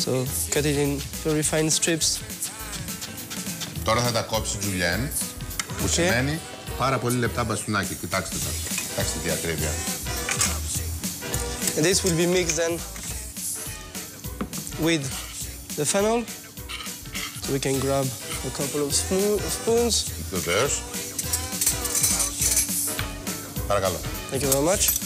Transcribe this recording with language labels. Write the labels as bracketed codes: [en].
[en] So cut it in very fine strips. [el] Τώρα θα τα κόψω julienne, που [en] okay. [el] Σημαίνει πάρα πολύ λεπτά μπαστούνάκι. Κοιτάξτε τα. Κοιτάξτε τι ακρίβεια. [en] And this will be mixed then with the fennel. So we can grab a couple of spoons. [el] Βεβαίως. Παρακαλώ. [en] Thank you very much.